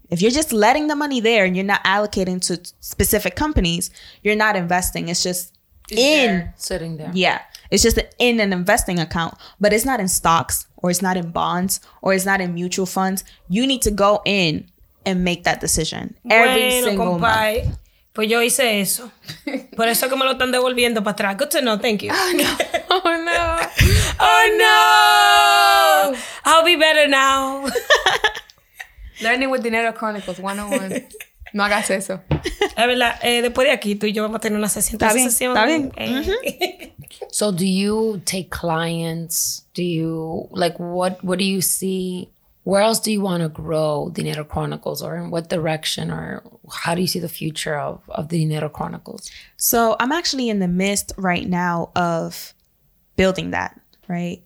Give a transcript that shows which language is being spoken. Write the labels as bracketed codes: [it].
[en] If you're just letting the money there and you're not allocating to specific companies, you're not investing. It's just sitting there. Yeah. It's just in an investing account, but it's not in stocks or it's not in bonds or it's not in mutual funds. You need to go in and make that decision every single month. [es] Pues yo hice eso. Por eso que me lo están devolviendo para atrás. [en] Good to know. Thank you. Oh, no. I'll be better now. Learning with Dinero Chronicles 101. [es] No hagas eso. Es verdad. Después de aquí, tú y yo vamos a tener una sesión. Está bien. [en] So do you take clients? Do you, like, what do you see? where else do you want to grow Dinero Chronicles, or in what direction, or how do you see the future of the Dinero Chronicles? So I'm actually in the midst right now of building that, right?